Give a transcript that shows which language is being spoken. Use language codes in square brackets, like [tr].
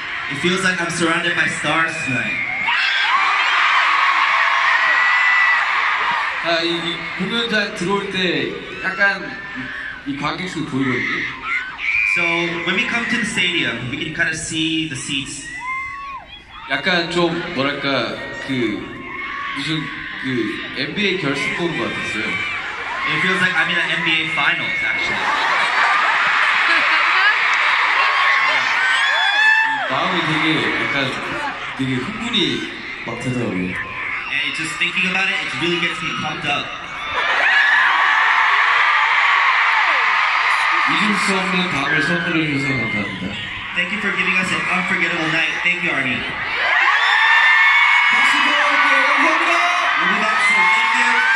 [en] It feels like I'm surrounded by stars tonight. [ko] 아, 이 공연장 들어올 때 약간 이 관객수 보이거든요. [en] So when we come to the stadium, we can kind of see the seats. [ko] 약간 좀 뭐랄까 그 무슨 그 NBA 결승 본 것 같았어요. [en] It feels like I'm in an NBA finals, actually. [ko] 마음이 되게 약간 되게 흥분이 막 되더라고요. [en] And just thinking about it, it really gets me pumped up. [ko] 잊을 수 없는 밤을 선물해 주셔서 감사합니다. [en] Thank you for giving us an unforgettable night. Thank you, Arnie. [ko] 다시 돌아올게요. 감사합니다. [en] We'll be back soon. Thank you.